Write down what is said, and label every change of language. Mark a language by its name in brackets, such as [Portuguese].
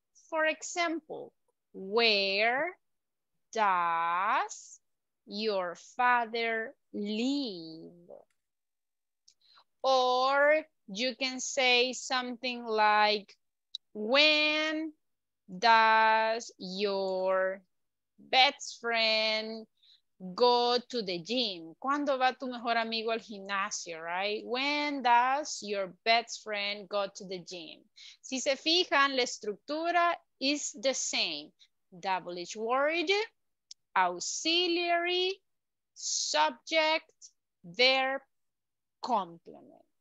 [English] For example, where does your father live? Or you can say something like, when does your best friend go to the gym? [Spanish] ¿Cuándo va tu mejor amigo al gimnasio, right? [English] When does your best friend go to the gym? [Spanish] Si se fijan, la estructura [English] is the same. WH word, auxiliary, subject, verb, complement.